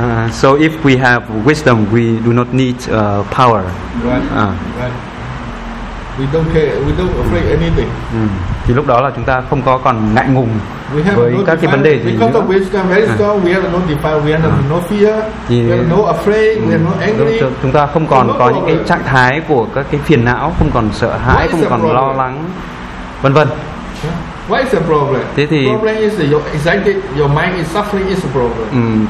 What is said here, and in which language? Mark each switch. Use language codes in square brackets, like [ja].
[en] So if we have wisdom, we do not need power. Right. We don't care, we don't afraid anything. [vi] Thì lúc đó là chúng ta không có còn ngại ngùng với các cái vấn đề gì nữa. [en] Because of wisdom, very strong, we have no defile, we have no fear, we have no afraid, we have no angry. [vi] Chúng ta không còn có những cái trạng thái của các cái phiền não, không còn sợ hãi, không còn lo lắng, vân vân. [en] What is the problem? [vi] Thế thì [en] problem is your anxiety, your mind is suffering is a problem.